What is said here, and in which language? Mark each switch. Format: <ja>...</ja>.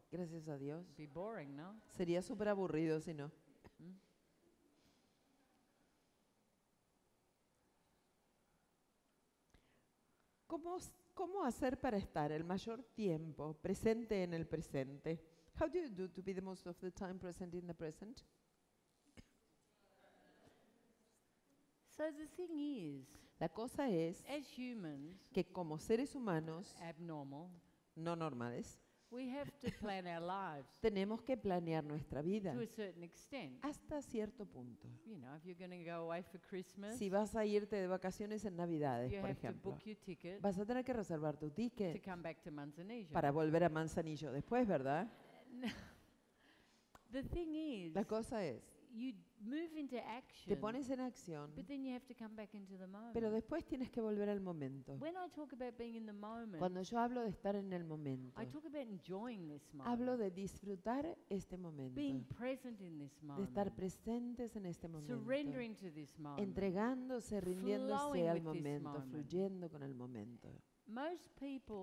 <es>Gracias a Dios.</es> <en>It'd be boring, no?</en> <es>Sería súper aburrido si no. ¿Cómo hacer para estar el mayor tiempo presente en el presente?</es> <en>How do you do to be the most of the time present in the present? So the thing is,</en> <es>la cosa es</es> <en>as humans,</en> <es>que como seres humanos</es> <en>abnormal,</en> <es>no normales,</es> <en>we have to plan our lives</en> <es>tenemos que planear nuestra vida</es> <en>to a certain extent.</en> <es>Hasta cierto punto.</es> <en>You know, if you're going to go away for Christmas,</en> <es>si vas a irte de vacaciones en Navidades,</es> <en>you</en> <es>por</es> <en>have</en> <es>ejemplo,</es> <en>to book your ticket</en> <es>vas a tener que reservar tu ticket</es> <en>to come back to Manzanillo.</en> <es>Para volver a Manzanillo después, ¿verdad?</es> <en>The thing is,</en> <es>la cosa es</es> <en>you move into action,</en> <es>te pones en acción,</es> <en>but then you have to come back into the moment.</en> <es>Pero después tienes que volver al momento.</es> <en>When I talk about being in the moment,</en> <es>cuando yo hablo de estar en el momento,</es> <en>I talk about enjoying this moment,</en> <es>hablo de disfrutar este momento,</es> <en>being present in this moment,</en> <es>de estar presentes en este momento,</es> <en>surrendering to this moment,</en> <es>entregándose, rindiéndose al momento, fluyendo con el momento.</es> <en>Most people,</en>